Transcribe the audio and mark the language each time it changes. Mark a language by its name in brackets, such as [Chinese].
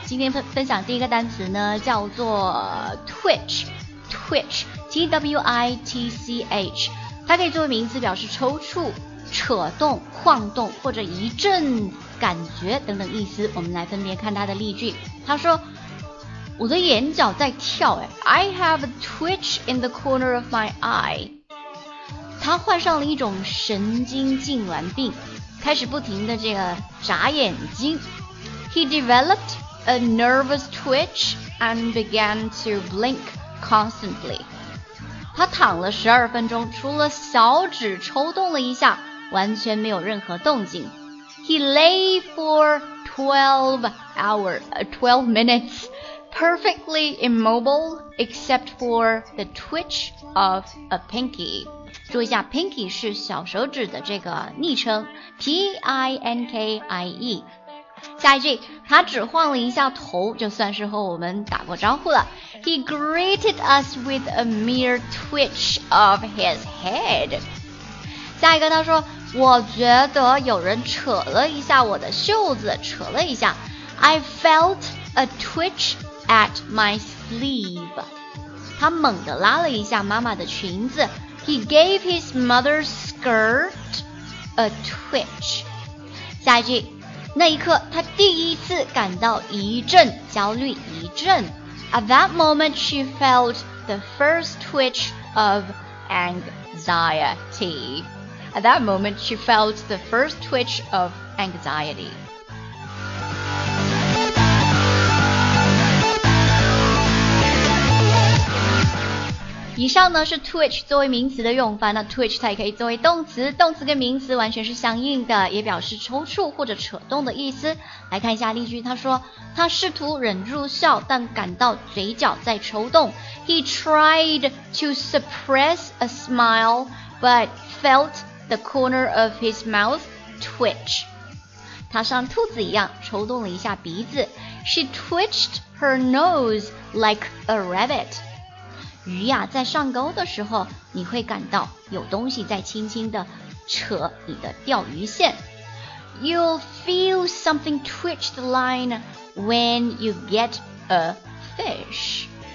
[Chinese] 今天分享第一个单词呢叫做 Twitch， T-W-I-T-C-H， 它可以作为名词表示抽搐、扯动、晃动或者一阵感觉等等意思。我们来分别看他的例句。他说，我的眼角在跳，哎 [English] I have a twitch in the corner of my eye。 [Chinese] 他患上了一种神经痉挛病，开始不停的这个眨眼睛。 [English] He developed a nervous twitch and began to blink constantly。 [Chinese] 他躺了12分钟，除了小指抽动了一下，完全没有任何动静。 [English] He lay for 12 minutes, perfectly immobile, except for the twitch of a pinky. [Chinese] 注意一下 ,pinky 是小手指的这个昵称 ,P-I-N-K-I-E。下一句，他只晃了一下头，就算是和我们打过招呼了。 [English] He greeted us with a mere twitch of his head. [Chinese] 下一个他说，我觉得有人扯了一下我的袖子，扯了一下。 [English] I felt a twitch at my sleeve. [Chinese] 他猛地拉了一下妈妈的裙子。 [English] He gave his mother's skirt a twitch. [Chinese] 下一句，那一刻他第一次感到一阵焦虑，一阵。 [English] At that moment, she felt the first twitch of anxiety. At that moment, she felt the first twitch of anxiety. [Chinese] 以上呢是 twitch 作为名词的用法，那 twitch 它也可以作为动词，动词跟名词完全是相应的，也表示抽搐或者扯动的意思。来看一下例句，他说，他试图忍住笑，但感到嘴角在抽动。 [English] He tried to suppress a smile, but felt... The corner of his mouth twitch. [Chinese] 他像兔子一样抽动了一下鼻子。 [English] She twitched her nose like a rabbit. [Chinese] 鱼呀，在上钩的时候，你会感到有东西在轻轻地扯你的钓鱼线。 [English] You'll feel something twitch the line when you get a fish.